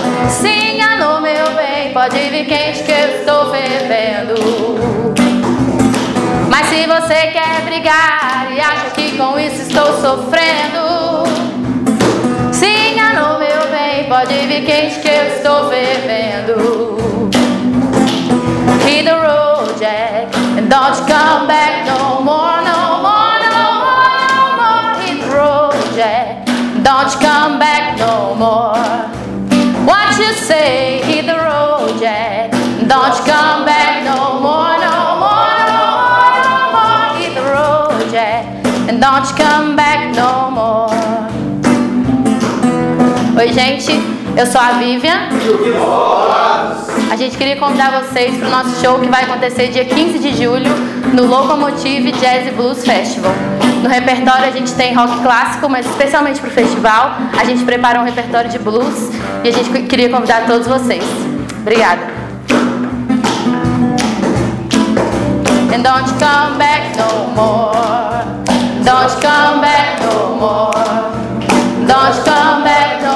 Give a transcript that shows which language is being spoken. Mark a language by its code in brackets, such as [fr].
[pt] Se enganou, meu bem, pode vir quente que eu estou fervendo. Mas se você quer brigar e acha que com isso estou sofrendo, se enganou, meu bem, pode vir quente que eu estou fervendo. [en] Hit the road, Jack, and don't you come back no more, no more, no more, no more. Hit the road, Jack, and don't you come back no more. What you say, hit the road, Jack, and don't you come back no more, no more, no more, no more. Hit the road, Jack, and don't you come back no more. [pt] Oi, gente, eu sou a Vivian. A gente queria convidar vocês para o nosso show que vai acontecer dia 15 de julho no Locomotive Jazz Blues Festival. No repertório a gente tem rock clássico, mas especialmente para o festival a gente preparou um repertório de blues e a gente queria convidar todos vocês. Obrigada. [en] And don't you come back no more. Don't you come back no more. Don't you come back.